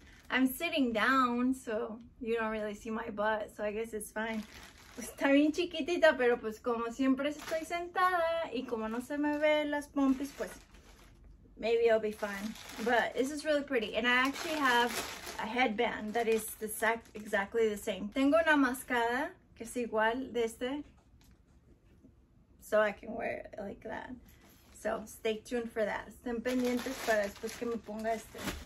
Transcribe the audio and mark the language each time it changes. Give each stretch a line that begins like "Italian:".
English: I'm sitting down, so you don't really see my butt. So I guess it's fine.
Spanish: Está bien chiquitita, pero pues como siempre estoy sentada y como no se me ve las pompis, pues
English: maybe it'll be fine. But this is really pretty. And I actually have a headband that is exactly the same.
Spanish: Tengo una mascada que es igual de este.
English: So I can wear it like that. So stay tuned for that.
Spanish: Estén pendientes para después que me ponga este.